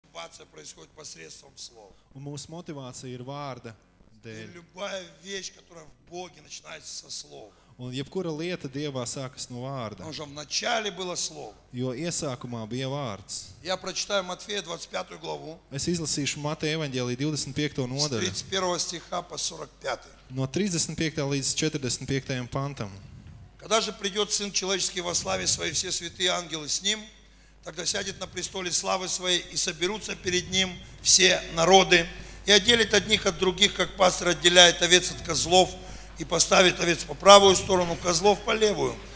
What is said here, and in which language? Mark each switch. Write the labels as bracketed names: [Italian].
[Russian] мотивация происходит посредством слова. У нас мотивация ir vārda dēļ. Любая вещь, которая в Боге, начинается со слова. [Latvian] Un jebkura lieta Dievā sākas no vārda. [Russian] Уже в начале было слово. [Latvian] Jo iesākumā bija vārds. [Russian] Я прочитаю Матфея 25 главу. [Latvian] Es izlasīšu Mateja evaņģēlija 25. Nodaļu. 31. Stihā pa 45. No 35. Līdz 45. Pantam. [Russian] Когда же придёт сын человеческий во славе своей, все святые ангелы с ним, тогда сядет на престоле славы своей и соберутся перед ним все народы, и отделит одних от других, как пастырь отделяет овец от козлов, и поставит овец по правую сторону, козлов по левую.